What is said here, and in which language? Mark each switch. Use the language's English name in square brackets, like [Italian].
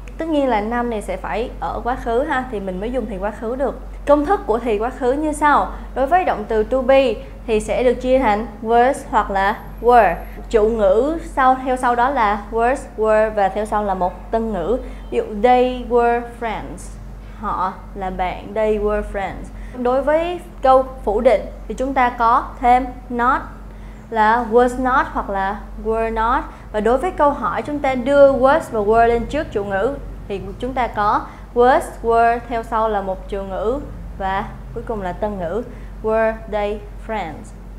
[Vietnamese] Tất nhiên là năm này sẽ phải ở quá khứ ha, thì mình mới dùng thì quá khứ được. Công thức của thì quá khứ như sau. Đối với động từ to be thì sẽ được chia thành was hoặc là were. Chủ ngữ sau theo sau đó là was, were, và theo sau là một tân ngữ. Ví dụ [English] they were friends. [Vietnamese] họ là bạn, [English] they were friends. [Vietnamese] Đối với câu phủ định thì chúng ta có thêm not là was not hoặc là were not. Và đối với câu hỏi chúng ta đưa was và were lên trước chủ ngữ thì chúng ta có was, were, theo sau là một trường ngữ và cuối cùng là tân ngữ, [English] were they friends.